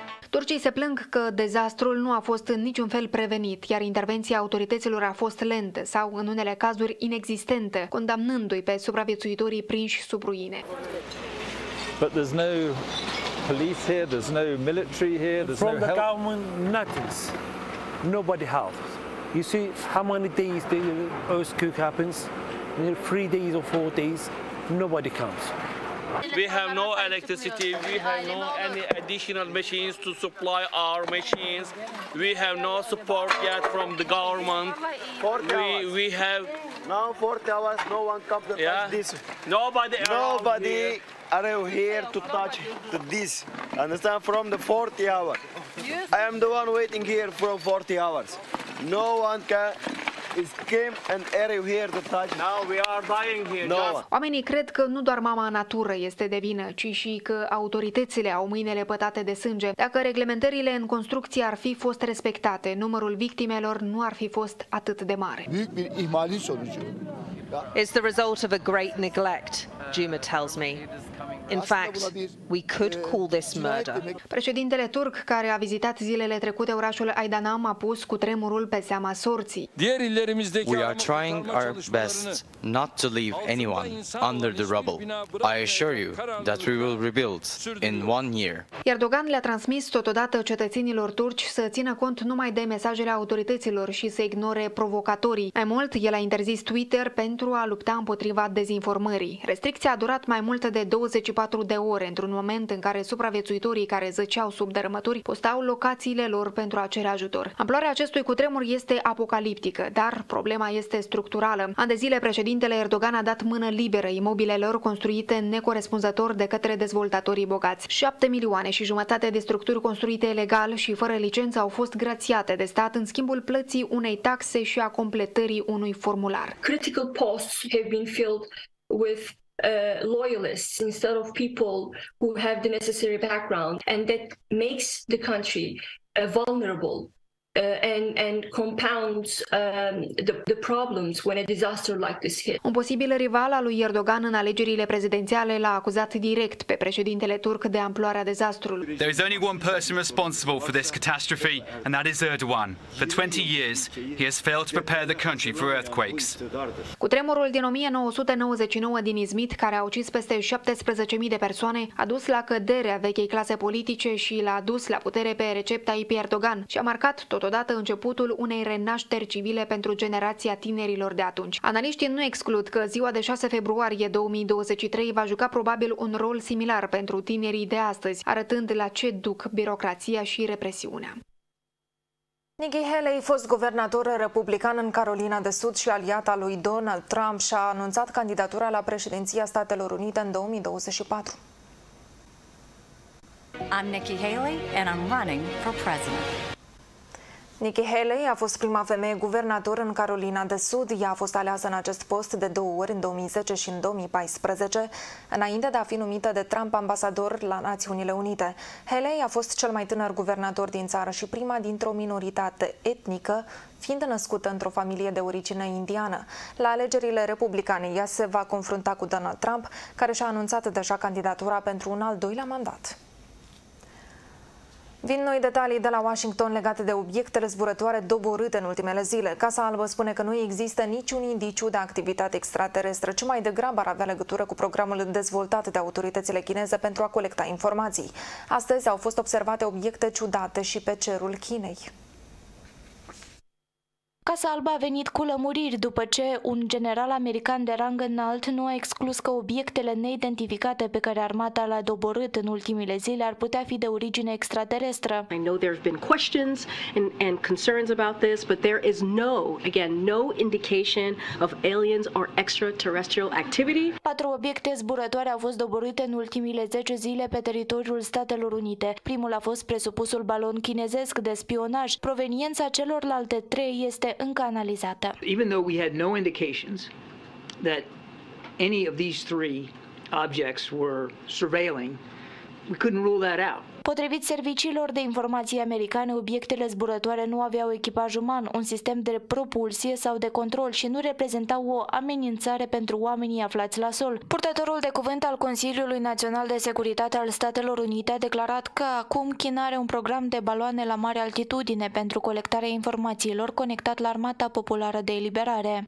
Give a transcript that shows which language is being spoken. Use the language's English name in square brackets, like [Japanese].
[Romanian] Turcii se plâng că dezastrul nu a fost în niciun fel prevenit, iar intervenția autorităților a fost lentă sau, în unele cazuri, inexistentă, condamnându-i pe supraviețuitorii prinși sub ruine. [English] But there's no police here, there's no military here, there's from no help. From the government, nothing. Nobody helps. You see how many days the earthquake happens? 3 days or 4 days, nobody comes. We have no electricity, we have no any additional machines to supply our machines. We have no support yet from the government. We have... Now 40 hours, no one comes to touch this. Nobody are you here to touch to this, understand, from the 40 hours. I am the one waiting here for 40 hours. No one can... It came and are you here to touch? Now we are dying here. No. [Romanian] Oamenii cred că nu doar mama natură este de vină, ci și că autoritățile au mâinile pătate de sânge. Dacă reglementările în construcție ar fi fost respectate, numărul victimelor nu ar fi fost atât de mare. [English] It's the result of a great neglect, Juma tells me. In fact, we could call this murder. [Romanian] Președintele turc, care a vizitat zilele trecute orașul Aydanam, a pus cutremurul pe seama sorții. [English] We are trying our best not to leave anyone under the rubble. I assure you that we will rebuild in 1 year. [Romanian] Erdogan le-a transmis totodată cetățenilor turci să țină cont numai de mesajele autorităților și să ignore provocatorii. Mai mult, el a interzis Twitter pentru a lupta împotriva dezinformării. Restricția a durat mai mult de 24 de ore, într-un moment în care supraviețuitorii care zăceau sub dărâmături postau locațiile lor pentru a cere ajutor. Amploarea acestui cutremur este apocaliptică, dar problema este structurală. An de zile, președintele Erdogan a dat mână liberă imobilelor construite necorespunzător de către dezvoltatorii bogați. 7,5 milioane de structuri construite ilegal și fără licență au fost grațiate de stat în schimbul plății unei taxe și a completării unui formular. [English] Critical posts have been filled with loyalists instead of people who have the necessary background, and that makes the country vulnerable and compounds the problems when a disaster like this hit. [Romanian] Un posibil rival al lui Erdogan în alegerile prezidențiale l-a acuzat direct pe președintele turc de amploarea dezastrului. [English] There is only one person responsible for this catastrophe, and that is Erdogan. For 20 years, he has failed to prepare the country for earthquakes. [Romanian] Cutremurul din 1999 din Izmit, care a ucis peste 17.000 de persoane, a dus la căderea vechei clase politice și l-a dus la putere pe Recep Tayyip Erdogan și a marcat totodată începutul unei renașteri civile pentru generația tinerilor de atunci. Analiștii nu exclud că ziua de 6 februarie 2023 va juca probabil un rol similar pentru tinerii de astăzi, arătând la ce duc birocrația și represiunea. Nikki Haley, fost guvernator republican în Carolina de Sud și aliata lui Donald Trump, și-a anunțat candidatura la președinția Statelor Unite în 2024. [English] I'm Nikki Haley and I'm running for president. [Romanian] Nikki Haley a fost prima femeie guvernator în Carolina de Sud. Ea a fost aleasă în acest post de două ori, în 2010 și în 2014, înainte de a fi numită de Trump ambasador la Națiunile Unite. Haley a fost cel mai tânăr guvernator din țară și prima dintr-o minoritate etnică, fiind născută într-o familie de origine indiană. La alegerile republicane, ea se va confrunta cu Donald Trump, care și-a anunțat deja candidatura pentru un al doilea mandat. Vin noi detalii de la Washington legate de obiectele zburătoare doborâte în ultimele zile. Casa Albă spune că nu există niciun indiciu de activitate extraterestră, ci mai degrabă ar avea legătură cu programul dezvoltat de autoritățile chineze pentru a colecta informații. Astăzi au fost observate obiecte ciudate și pe cerul Chinei. Casa Albă a venit cu lămuriri după ce un general american de rang înalt nu a exclus că obiectele neidentificate pe care armata le-a doborât în ultimile zile ar putea fi de origine extraterestră. [English] I know there have been questions and concerns about this, but there is no indication of aliens or extraterrestrial activity. [Romanian] 4 obiecte zburătoare au fost doborâte în ultimile 10 zile pe teritoriul Statelor Unite. Primul a fost presupusul balon chinezesc de spionaj. Proveniența celorlalte 3 este încă analizată. [English] Even though we had no indications that any of these 3 objects were surveilling, we couldn't rule that out. [Romanian] Potrivit serviciilor de informații americane, obiectele zburătoare nu aveau echipaj uman, un sistem de propulsie sau de control și nu reprezentau o amenințare pentru oamenii aflați la sol. Purtătorul de cuvânt al Consiliului Național de Securitate al Statelor Unite a declarat că acum China are un program de baloane la mare altitudine pentru colectarea informațiilor conectat la Armata Populară de Eliberare.